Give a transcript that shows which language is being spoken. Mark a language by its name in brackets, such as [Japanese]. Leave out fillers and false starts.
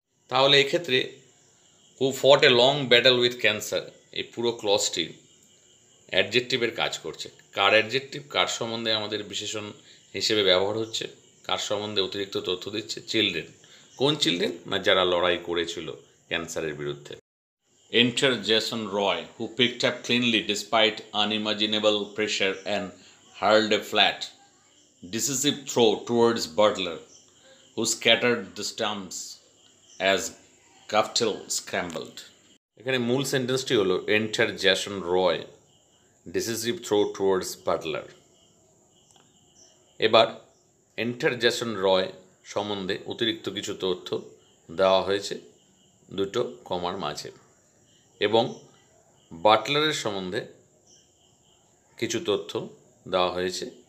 [Bangla] তাহলে এক্ষেত্রে [English] who fought a long battle with cancer [Bangla] এই পুরো ক্লজটি অ্যাডজেক্টিভের কাজ করছে। কার অ্যাডজেক্টিভ, কার সম্বন্ধে আমাদের বিশেষণ হিসেবে ব্যবহার হচ্ছে, কার সম্বন্ধে অতিরিক্ত তথ্য দিচ্ছে? চিলড্রেন। কোন চিলড্রেন? না, যারা লড়াই করেছিল ক্যান্সারের বিরুদ্ধে। [English] Enter Jason Roy, who picked up cleanly despite unimaginable pressure and hurled a flat, decisive throw towards Butler, who scattered the stumps as Guftill scrambled. [Bangla] এখানে মূল সেন্টেন্সটি হলো [English] Enter Jason Roy, decisive throw towards Butler. [Bangla] এবার Enter Jason Roy সম্বন্ধে অতিরিক্ত কিছু তথ্য দেওয়া হয়েছে দুটো কমার মাঝে, এবং বাটলারের সম্বন্ধে কিছু তথ্য দেওয়া হয়েছে